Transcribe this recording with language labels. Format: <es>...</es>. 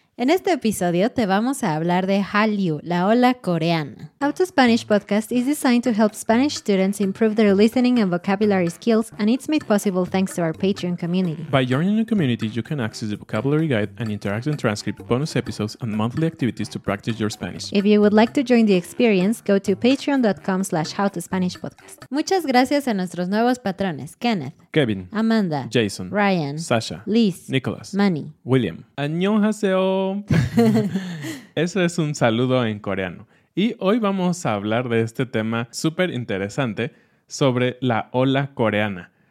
<es>En este episodio te vamos a hablar de Hallyu, la ola coreana.</es> <en>How to Spanish Podcast is designed to help Spanish students improve their listening and vocabulary skills, and it's made possible thanks to our Patreon community. By joining the community, you can access the vocabulary guide and interactive transcript, bonus episodes, and monthly activities to practice your Spanish. If you would like to join the experience, go to patreon.com/howtospanishpodcast.</en> <es>Muchas gracias a nuestros nuevos patrones, Kenneth, Kevin, Amanda, Jason, Ryan, Sasha, Liz, Nicholas, Manny, William.</es> <ko>Annyeonghaseyo.</ko> <es>Eso es un saludo en coreano. Y hoy vamos a hablar de este tema súper interesante sobre la ola coreana.</es>